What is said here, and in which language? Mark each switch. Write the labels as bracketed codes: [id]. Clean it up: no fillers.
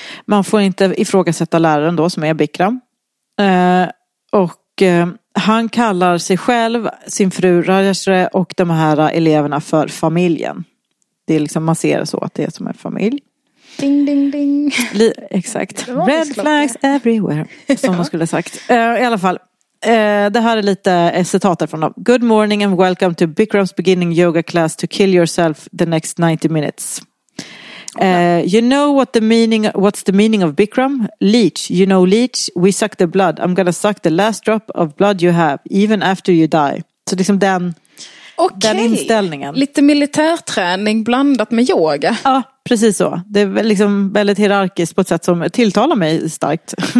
[sv] Man får inte ifrågasätta läraren då, som är Bikram. Och han kallar sig själv, sin fru Rajashree och de här eleverna för familjen. Det är liksom, man ser så att det är som en familj. Ding, ding, ding. Exakt. [en] Red flags everywhere, [sv] som man skulle sagt. I alla fall. Det här är lite citater från dem. [en] Good morning and welcome to Bikram's beginning yoga class to kill yourself the next 90 minutes. You know what's the meaning of Bikram? Leech, you know leech, we suck the blood. I'm gonna suck the last drop of blood you have, even after you die. [sv] Så liksom den, [en] okay, [sv] den inställningen. Lite militärträning blandat med yoga. Ja, precis så. Det är liksom väldigt hierarkiskt på ett sätt som tilltalar mig starkt.